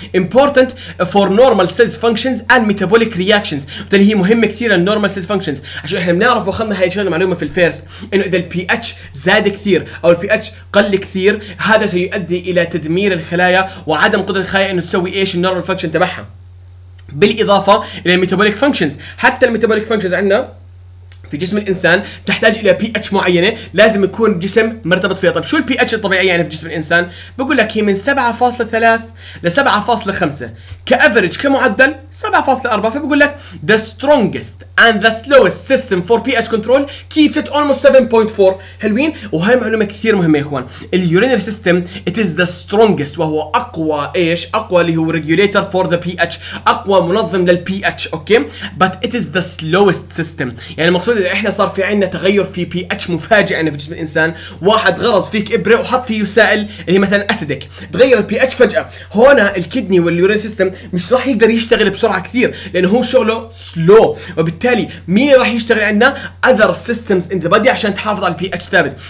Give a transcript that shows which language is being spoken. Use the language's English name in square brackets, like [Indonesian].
[English] Important for normal cells functions and metabolic reactions، [Arabic] وبالتالي هي مهمه كثير للنورمال سيلز فانكشنز، عشان احنا بنعرف واخذنا هاي الشغله معلومه في الفيرست انه اذا البي اتش زاد كثير او البي اتش قل كثير هذا سيؤدي الى تدمير الخلايا وعدم قدره الخلايا انه تسوي ايش النورمال فانكشن تبعها، بالاضافه الى الميتابوليك فانكشنز. حتى الميتابوليك فانكشنز عندنا في جسم الانسان تحتاج الى بي اتش معينه لازم يكون جسم مرتبط فيها. طيب شو البي اتش الطبيعي يعني في جسم الانسان؟ بقول لك هي من 7.3 ل 7.5 كافرج، كمعدل 7.4. فبقول لك [English] the strongest and the slowest system for pH control keeps it almost 7.4. [Arabic] حلوين. وهي معلومه كثير مهمه يا اخوان. اليورينري سيستم [English] it is the strongest، [Arabic] وهو اقوى ايش؟ اقوى اللي هو [English] regulator for the pH، [Arabic] اقوى منظم للبي اتش، اوكي؟ [English] but it is the slowest system، [Arabic] يعني اقصد اذا احنا صار في عندنا تغير في بي اتش مفاجئ في جسم الانسان، واحد غرز فيك ابره وحط فيه سائل اللي هي مثلا اسيدك، تغير البي اتش فجاه، هنا الكدني واليورين سيستم مش راح يقدر يشتغل بسرعه كثير لانه هو شغله سلو، وبالتالي مين راح يشتغل عندنا؟ [English] other systems in the body [Arabic] عشان تحافظ على البي اتش ثابت.